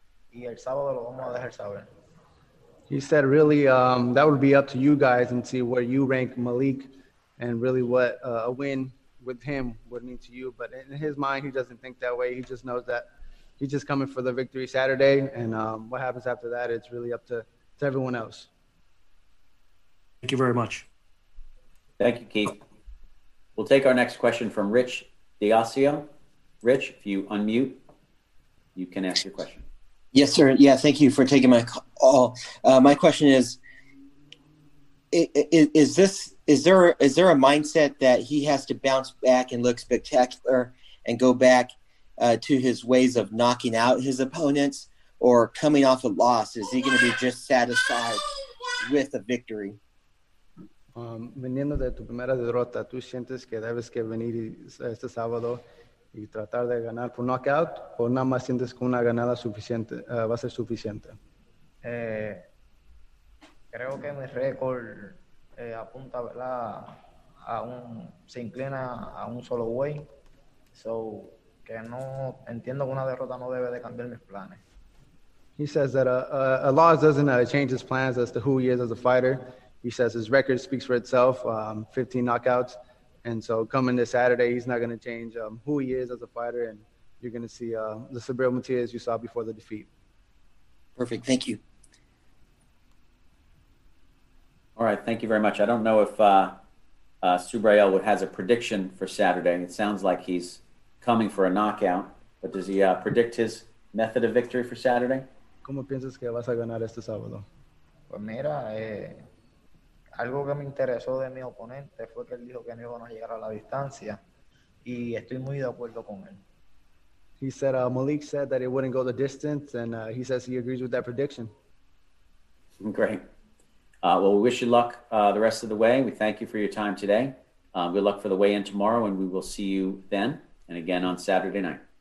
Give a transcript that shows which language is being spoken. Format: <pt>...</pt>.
<es>Y el sábado lo vamos a dejar saber.</es> <en>He said, really, that would be up to you guys and see where you rank Malik and really what a win with him would mean to you. But in his mind, he doesn't think that way. He just knows that he's just coming for the victory Saturday. And what happens after that, it's really up to everyone else. Thank you very much. Thank you, Keith. We'll take our next question from Rich D'Ossio. Rich, if you unmute, you can ask your question. Yes, sir. Yeah, thank you for taking my call. My question is there a mindset that he has to bounce back and look spectacular and go back to his ways of knocking out his opponents or coming off a loss? Is he going to be just satisfied with a victory?</en> <es>Veniendo de tu primera derrota, ¿tú sientes que debes que venir este sábado y tratar de ganar por knockout, o nada más sientes que una ganada suficiente va a ser suficiente? Creo que mi récord apunta, ¿verdad? Se inclina a un solo way. So, que no entiendo que una derrota no debe de cambiar mis planes.</es> <en>He says that a loss doesn't change his plans as to who he is as a fighter. He says his record speaks for itself, 15 knockouts. And so coming this Saturday, he's not going to change who he is as a fighter. And you're going to see the Subriel Matias you saw before the defeat. Perfect. Thank you. All right. Thank you very much. I don't know if Subriel has a prediction for Saturday. It sounds like he's coming for a knockout. But does he predict his method of victory for Saturday?</en> <es>¿Cómo piensas que vas a ganar este sábado? Pues mira, algo que me interesó de mi oponente fue que él dijo que no iba a llegar a la distancia, y estoy muy de acuerdo con él.</es> <en>He said Malik said that he wouldn't go the distance, and he says he agrees with that prediction. Great. Well, we wish you luck the rest of the way. We thank you for your time today. Good luck for the weigh-in tomorrow, and we will see you then, and again on Saturday night.</en>